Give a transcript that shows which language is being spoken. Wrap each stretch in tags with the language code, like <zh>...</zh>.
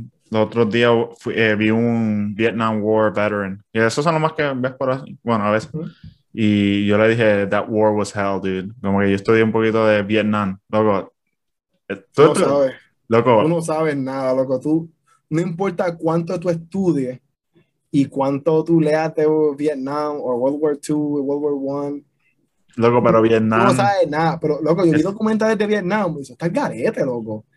<es>los otros días vi vi un Vietnam War veteran. Y eso es lo más que ves por así. Bueno, a veces. Y yo le dije,</es> <en>that war was hell, dude.</en> <es>Como que yo estudié un poquito de Vietnam. Loco. Tú no sabes nada, loco. Tú, no importa cuánto tú estudies y cuánto tú leas de Vietnam o World War II, World War I. Loco, pero Vietnam. Tú no sabes nada. Pero, loco, yo vi documentales de Vietnam. Y eso está el garete, loco.</es>